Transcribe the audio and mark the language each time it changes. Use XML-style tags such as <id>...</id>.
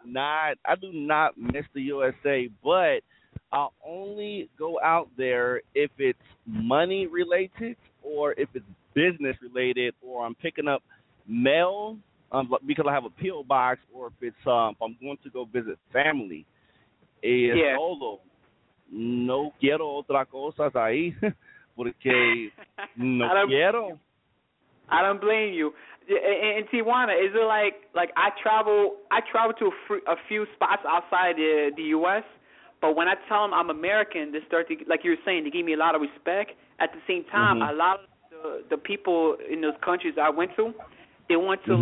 <en>I do not miss the USA, but I only go out there if it's money related or if it's business related or I'm picking up mail because I have a P.O. box or if it's if I'm going to go visit family. Yeah.</en> <es>Solo. no quiero otra cosa ahí, porque no quiero.</es> <en>I don't blame you. In Tijuana, is it like I travel to a few spots outside the U.S., but when I tell them I'm American, they start to, like you were saying, they give me a lot of respect. At the same time, mm-hmm. a lot of the people in those countries I went to, they want to, mm-hmm.</en>